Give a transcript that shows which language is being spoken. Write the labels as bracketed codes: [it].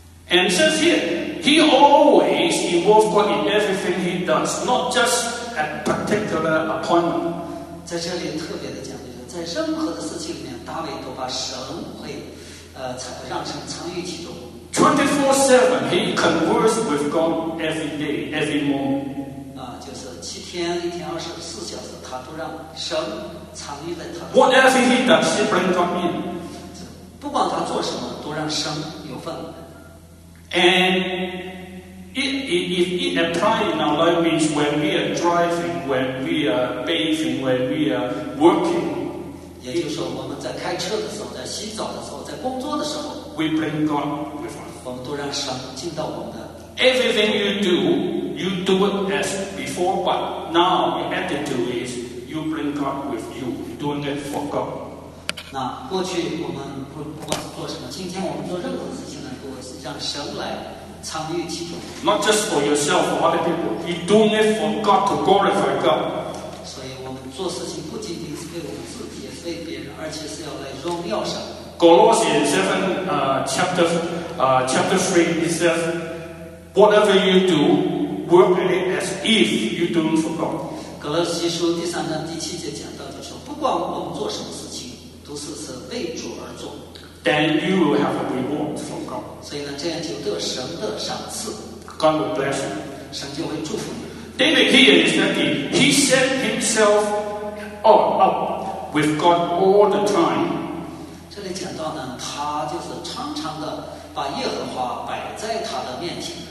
[en] And says here, he always involves God in everything he does, not just at particular appointment. [zh] 在这里特别的讲的就是，在任何的事情里面，大卫都把神会，让神参与其中。 [en] 24/7, he converses with God every day, every moment. [zh] 啊，就是七天，一天24小时，他都让神参与在他。 [en] Whatever he does, he brings God in. [zh] 不管他做什么，都让神有份。 [en] And it applies in our life means when we are driving, when we are bathing, when we are working. [zh] 也就是我们在开车的时候，在洗澡的时候，在工作的时候。 [en] We bring God with us. [zh] 我们都让神进到我们的。 [en] Everything you do it as before, but now the attitude is you bring God with you, doing it for God. [zh] 那过去我们不管做什么，今天我们做任何事情呢，都让神来。 [en] Not just for yourself, for other people. You doing it for God to glorify God. [zh] 所以我们做事情不仅仅是为我们自己，也为别人，而且是要来荣耀神。 [en] Colossians 7, chapter 3, it says, "Whatever you do, work at it as if you doing for God." [zh] 格罗西书第三章第七节讲到，就说不管我们做什么事情，都是为主而做。 [en] Then you will have a reward from God. [zh] 所以呢，这样就得神的赏赐。 [en] God will bless you. [zh] 神就会祝福你。 [en] David here is that he set himself up with God all the time. [zh] 这里讲到呢，他就是常常的把耶和华摆在他的面前。